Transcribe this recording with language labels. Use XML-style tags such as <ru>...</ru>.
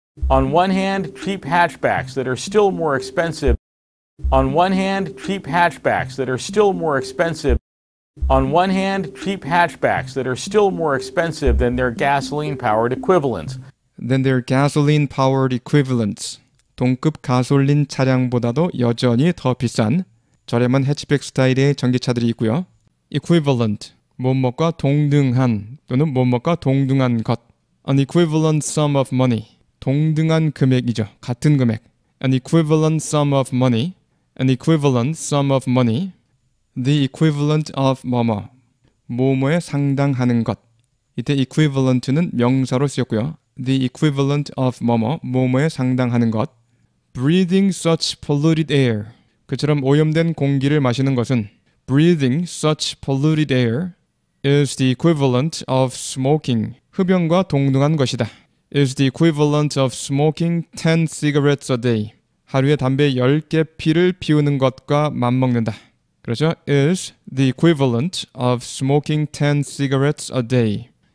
<en>On one hand, cheap hatchbacks that are still more expensive. On one hand, cheap hatchbacks that are still more expensive. On one hand, cheap hatchbacks that are still more expensive than their gasoline-powered equivalents. Than their gasoline-powered equivalents.</en> <ko>동급 가솔린 차량보다도 여전히 더 비싼 저렴한 해치백 스타일의 전기차들이 있고요.</ko> <en>Equivalent.</en> <ko>뭐뭐과 동등한 또는 뭐뭐과 동등한 것.</ko> <en>An equivalent sum of money.</en> <ko>동등한 금액이죠. 같은 금액.</ko> <en>An equivalent sum of money. An equivalent sum of money. The equivalent of</en> <ko>뭐뭐, 뭐뭐에 상당하는 것. 이때 equivalent는 명사로 쓰였고요.</ko> <en>The equivalent of</en> <ko>뭐뭐, 뭐뭐에 상당하는 것.</ko> <en>Breathing such polluted air.</en> <ko>그처럼 오염된 공기를 마시는 것은</ko> <en>Breathing such polluted air is the equivalent of smoking.</en> <ko>흡연과 동등한 것이다.</ko> <en>Is the equivalent of smoking 10 cigarettes a day.</en> <ko>하루에 담배 10개 피를 피우는 것과 맞먹는다. 그렇죠?</ko> <en>Is the equivalent of smoking 10 cigarettes a day.</en>